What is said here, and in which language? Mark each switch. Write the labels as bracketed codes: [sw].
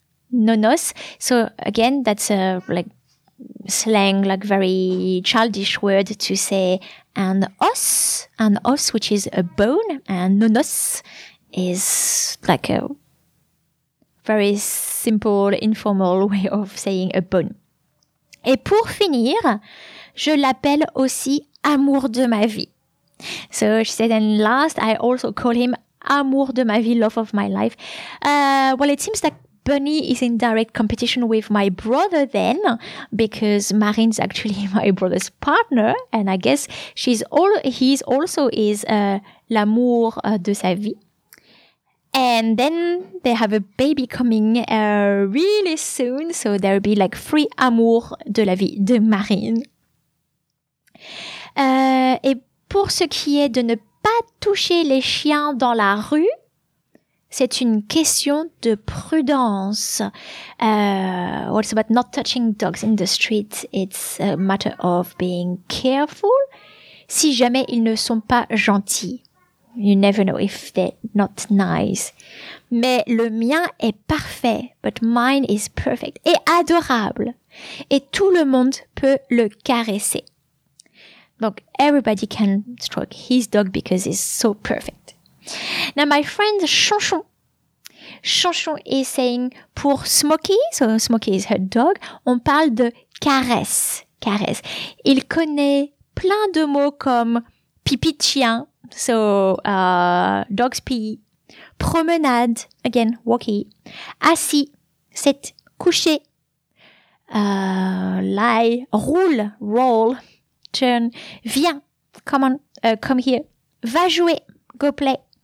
[en] Nonos. So again, that's a like slang, like very childish word to say an os, which is a bone, and nonos is like a very simple, informal way of saying a bone. [fr] Et pour finir, je l'appelle aussi amour de ma vie. [en] So she said, and last, I also call him [fr] amour de ma vie, [en] love of my life. Well, it seems that Bunny is in direct competition with my brother then, because Marine's actually my brother's partner, and I guess he's also [fr] l'amour de sa vie. [en] And then they have a baby coming really soon, so there'll be like three [fr] amour de la vie de Marine. Et pour ce qui est de ne pas toucher les chiens dans la rue, c'est une question de prudence. [en] What's about not touching dogs in the street? It's a matter of being careful. [fr] Si jamais ils ne sont pas gentils. [en] You never know if they're not nice. [fr] Mais le mien est parfait. [en] But mine is perfect. [fr] Et adorable. Et tout le monde peut le caresser. [en] Look, everybody can stroke his dog because he's so perfect. Now, my friend Chanchon. Chanchon is saying, [fr] pour Smokey, [en] so Smokey is her dog, [fr] on parle de caresse. Caresse. Il connaît plein de mots comme pipi de chien, [en] so dog's pee, [fr] promenade, again, walkie, assis, sit, couché, lie, roule, roll, turn, viens, [en] come on, come here, [fr] va jouer, [en] go play.